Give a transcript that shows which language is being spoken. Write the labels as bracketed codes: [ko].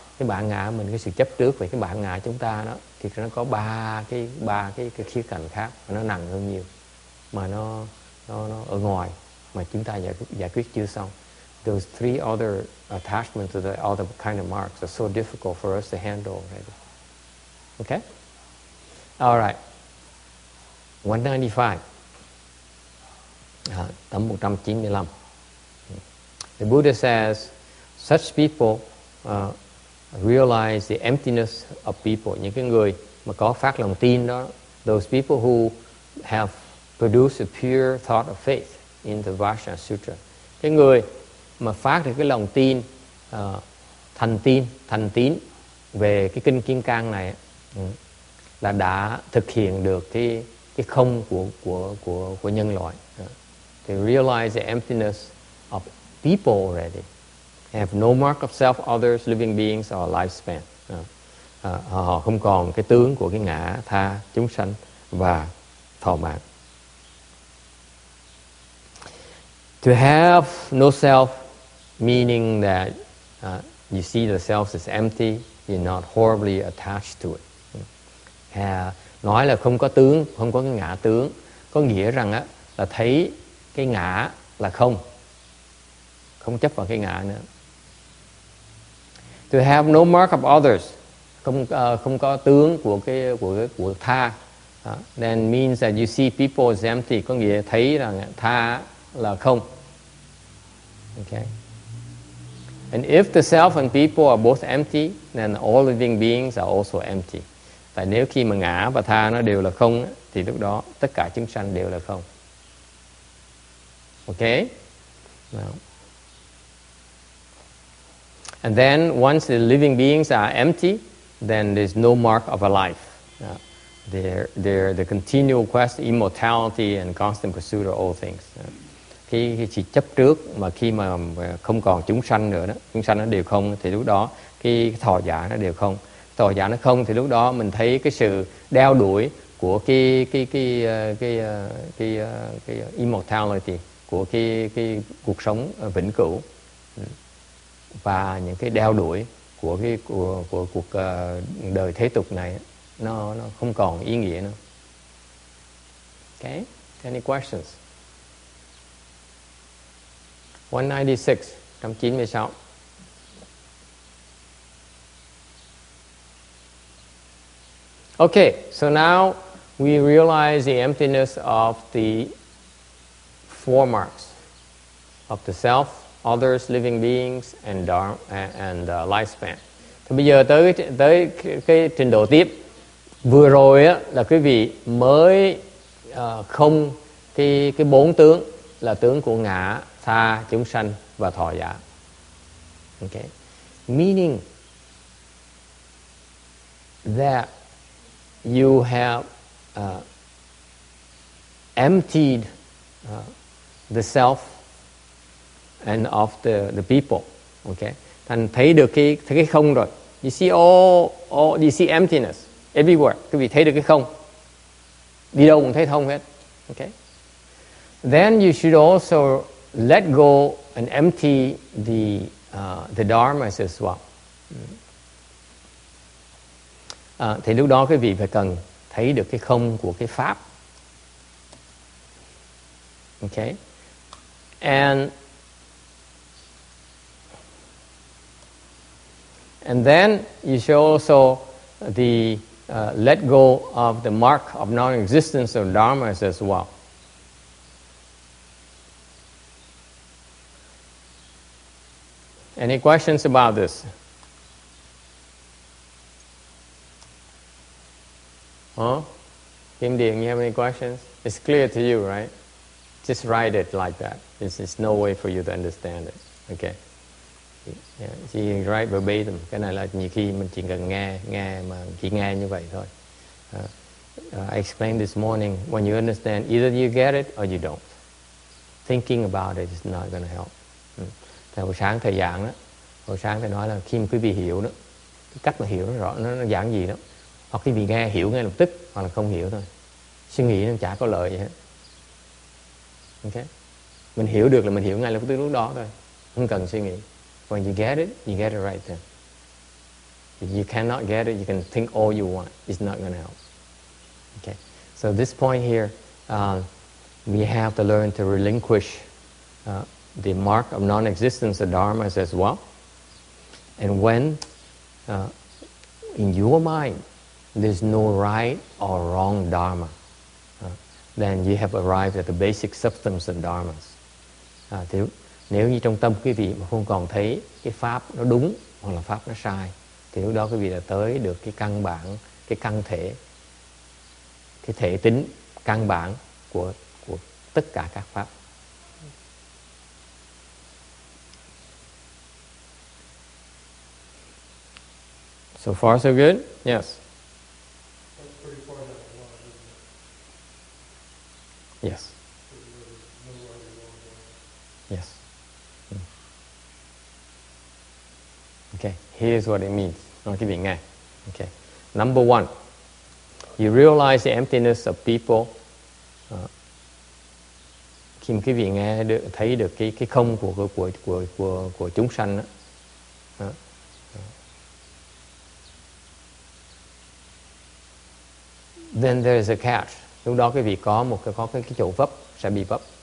[vi] Cái bản ngã mình, cái sự chấp trước về cái bản ngã chúng ta đó, thì nó có ba cái khía cạnh khác mà nó nặng hơn nhiều, mà nó ở ngoài mà chúng ta giải quyết chưa xong. [en] Those three other attachments to the other kind of marks are so difficult for us to handle already. Okay? All right. 195. [vi] Tấm 195. [en] The Buddha says, such people realize the emptiness of people. [vi] Những cái người mà có phát lòng tin đó, [en] those people who have produced a pure thought of faith in the Vajra Sutra. [vi] Cái người mà phát được cái lòng tin, thành tin, thành tín về cái kinh Kim Cang này, là đã thực hiện được cái không của nhân loại. [en] They realize the emptiness of people already. They have no mark of self, others, living beings or lifespan. [vi] Họ không còn cái tướng của cái ngã, tha, chúng sanh và thọ mạng. [en] To have no self meaning that you see the self is empty, you're not horribly attached to it. [vi] Nói là không có tướng, không có cái ngã tướng, có nghĩa rằng á là thấy cái ngã là không, không chấp vào cái ngã nữa. [en] To have no mark of others, [vi] không có tướng của tha, [en] then means that you see people as empty, [vi] có nghĩa thấy rằng tha là không. [en] Okay. And if the self and people are both empty, then all living beings are also empty. [vi] Tại nếu khi mà ngã và tha nó đều là không, thì lúc đó tất cả chúng sanh đều là không. [en] Okay? Now. And then once the living beings are empty, then there's no mark of a life. They're the continual quest, immortality and constant pursuit of all things. [vi] Khi chỉ chấp trước mà khi mà không còn chúng sanh nữa đó, chúng sanh nó đều không, thì lúc đó cái thọ giả nó đều không. Thọ giả nó không thì lúc đó mình thấy cái sự đeo đuổi của cái immortality, của cái cuộc sống vĩnh cửu, và những cái đeo đuổi của cuộc đời thế tục này nó không còn ý nghĩa nữa. [en] Okay, any questions? 196, 196. Okay, so now we realize the emptiness of the four marks of the self, others, living beings, and lifespan. [vi] Thì bây giờ tới cái trình độ tiếp. Vừa rồi á, là quý vị mới không cái bốn tướng là tướng của ngã, tha, chúng sanh và thọ giả. [en] Okay, meaning that you have emptied the self and of the people. [vi] Okay, thành thấy được cái không rồi. [en] You see all you see emptiness everywhere. [vi] Quý vị thấy được cái không, đi đâu cũng thấy không hết. Okay, [en] then you should also let go and empty the dharmas as well. [vi] Thì lúc đó quý vị phải cần thấy được cái không của cái pháp. [en] Okay. And then you should also let go of the mark of non-existence of dharmas as well. Any questions about this? Huh? Kim Dieng, you have any questions? It's clear to you, right? Just write it like that. There's no way for you to understand it. Okay. Chỉ write verbatim. [vi] Cái này là nhiều khi mình chỉ cần nghe mà chỉ nghe như vậy thôi. [en] I explained this morning, when you understand, either you get it or you don't. Thinking about it is not going to help. [vi] Thì hồi sáng thầy giảng đó, hồi sáng thầy nói là khi quý vị hiểu đó, cái cách mà hiểu nó rõ, nó giảng gì đó. Hoặc quý vị nghe hiểu ngay lập tức, hoặc là không hiểu thôi. Suy nghĩ nó chả có lợi gì hết. [en] Okay. [vi] Mình hiểu được là mình hiểu ngay lập tức lúc đó thôi. Không cần suy nghĩ. [en] When you get it right then. If you cannot get it, you can think all you want. It's not going to help. Okay. So this point here, we have to learn to relinquish the mark of non-existence of dharmas as well. And when in your mind there's no right or wrong dharma, then you have arrived at the basic substance of dharmas. [vi] Nếu như trong tâm quý vị mà không còn thấy cái pháp nó đúng hoặc là pháp nó sai, thì lúc đó quý vị đã tới được cái căn bản, cái căn thể, cái thể tính căn bản của tất cả các pháp. [en] So far so good? Yes. Yes. Yes. Okay, here's what it means. I'll give you nghe. Okay. Number one, you realize the emptiness of people. [vi] Khi quý vị nghe được, thấy được cái không của chúng sanh đó. [en] Then there is a catch. [vi] Lúc đó quý vị có cái chỗ vấp, sẽ bị vấp.